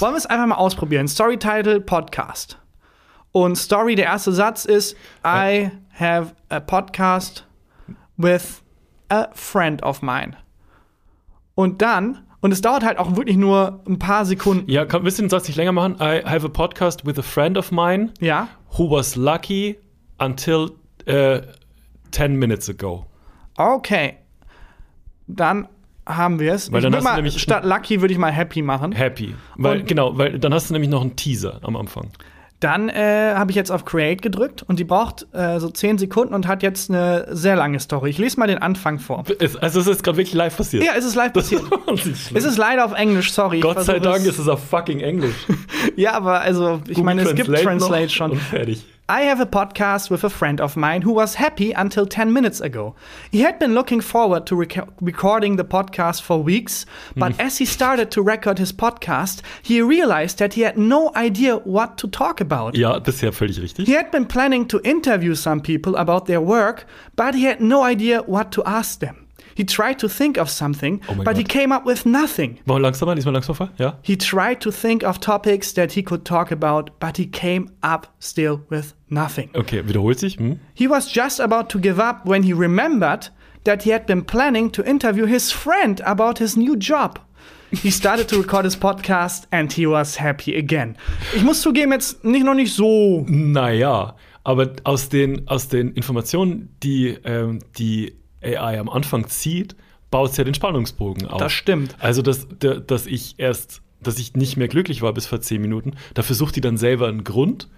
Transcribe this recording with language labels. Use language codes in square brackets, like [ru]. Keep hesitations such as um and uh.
[de] Wollen wir es einfach mal ausprobieren? Storytitle Podcast. Und Story, der erste Satz ist: [en] I have a podcast with a friend of mine. [de] Und dann, und es dauert halt auch wirklich nur ein paar Sekunden. Ja, kann, willst du den Satz nicht länger machen? [en] I have a podcast with a friend of mine [de] Ja. [en] who was lucky until äh, 10 minutes ago. [de] Okay. Dann haben wir es. Weil dann hast du mal, nämlich- statt Lucky würde ich mal Happy machen. Happy. Weil, Und- genau, weil dann hast du nämlich noch einen Teaser am Anfang. Dann äh, habe ich jetzt auf Create gedrückt und die braucht äh, so 10 Sekunden und hat jetzt eine sehr lange Story. Ich lese mal den Anfang vor. Es, also es ist gerade wirklich live passiert. Ja, es ist live passiert. Das ist schlimm. es ist leider auf Englisch, sorry. Ich Gott sei versuche Dank es- ist es auf fucking Englisch. Ja, aber also, ich meine, es gibt Translate noch schon. Und fertig. [en] I have a podcast with a friend of mine who was happy until 10 minutes ago. He had been looking forward to reco- recording the podcast for weeks, but as he started to record his podcast, he realized that he had no idea what to talk about. [de] Ja, bisher völlig richtig. [en] He had been planning to interview some people about their work, but he had no idea what to ask them. He tried to think of something, Oh my but he God. came up with nothing. [de] Mal langsamer, diesmal langsamer. Ja. [en] He tried to think of topics that he could talk about, but he came up still with nothing. [de] Okay, wiederholt sich. Hm. [en] He was just about to give up when he remembered that he had been planning to interview his friend about his new job. He started to record his podcast and he was happy again. [de] Ich muss zugeben, jetzt nicht noch nicht so. Naja, aber aus den, aus den Informationen, die ähm, die AI am Anfang zieht, baut sie ja den Spannungsbogen auf. Das stimmt. Also, dass, der- dass ich erst, dass ich nicht mehr glücklich war bis vor zehn Minuten, dafür sucht die dann selber einen Grund.